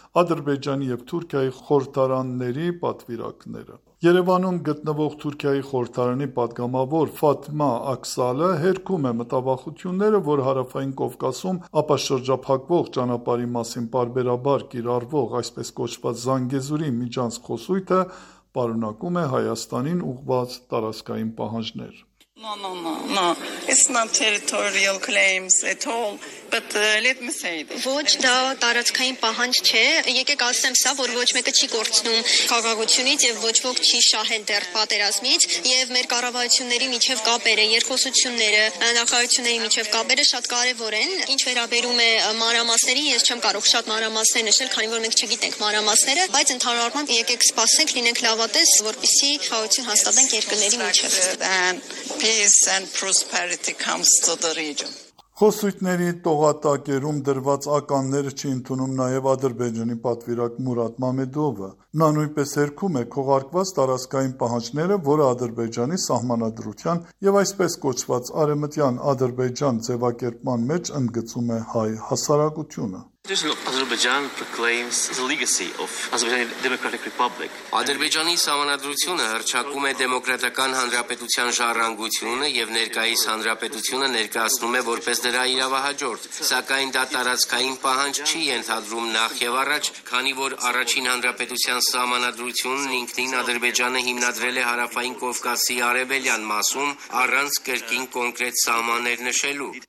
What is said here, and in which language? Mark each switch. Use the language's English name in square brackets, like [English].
[Armenian] Ադրբեջանի և Թուրքիայի խորհրդարանների պատվիրակները։ Երևանում գտնվող Թուրքիայի խորհրդարանի պատգամավոր Ֆաթմա Աքսալը հերքում է մտավախությունները, որ Հարավային Կովկասում ապաշրջափակվող ճանապարհի մասին պարբերաբար կիրառվող այսպես կոչված Զանգեզուրի միջանց խոսույթը պարունակում է Հայաստանին ուղղված տարածքային պահանջներ։ [English] No. It's not territorial claims at all. But let me say this. [Armenian] Ոչ, դա տարածքային պահանջ չէ։ Եկեք ասեմ սա, որ ոչ մեկը չի կորցնում քաղաքությունից եւ ոչ ոք չի շահել դեր պատերազմից եւ մեր կառավարությունների միջև կապերը, երկխոսությունները, նախարարությունների միջև կապերը շատ կարեւոր են։ Ինչ վերաբերում է մանրամասներին, ես չեմ կարող շատ մանրամասներ նշել, քանի որ մենք չգիտենք մանրամասները, բայց ընդհանրապես եկեք սպասենք, լինենք լավատես, որպեսզի խաղաղություն հաստատենք երկրների միջև։ [English] Peace and prosperity comes to the region. [Armenian] Խոսույթների տողատակերում դրված ականները չի ընդունում նաև Ադրբեջանի պատվիրակ Մուրադ Մամեդովը։ Նա նույնպես հերքում է քողարկված տարածքային պահանջները, որը Ադրբեջանի սահմանադրության եւ այսպես կոչված արեմտյան Ադրբեջան ձևակերպման մեջ ընդգծում է հայ հասարակությունը։ [English] Azerbaijan proclaims the legacy of Azerbaijan Democratic Republic. [Armenian] Ադրբեջանի սահմանադրությունը հրճակում է դեմոկրատական հանրապետության ժառանգությունը եւ ներկայիս հանրապետությունը ներկայացնում է որպես նրա իրավահաջորդ, սակայն դա տարածքային պահանջ չի ենթադրում նախ եւ առաջ, քանի որ առաջին հանրապետության սահմանադրությունն ինքնին Ադրբեջանը հիմնադրել է Հարավային Կովկասի արևելյան մասում առանց կրկին կոնկրետ սահմաններ նշելու։